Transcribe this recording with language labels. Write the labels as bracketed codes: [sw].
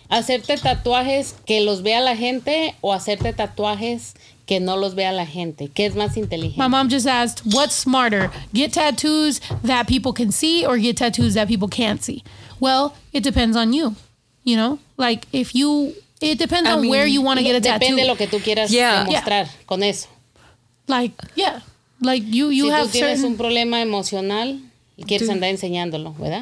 [es] Hacerte tatuajes que los vea la gente o hacerte tatuajes que no los vea la gente. ¿Qué es más inteligente? [en] My mom just asked, what's smarter? Get tattoos that people can see or get tattoos that people can't see? Well, it depends on you. You know? Like, if you... It depends on where you want to get a tattoo. [es] Depende lo que tú quieras demostrar con eso. [en] Like, yeah. Like, you [es] si [en] have certain... [es] Si tú tienes un problema emocional y quieres andar enseñándolo, ¿verdad?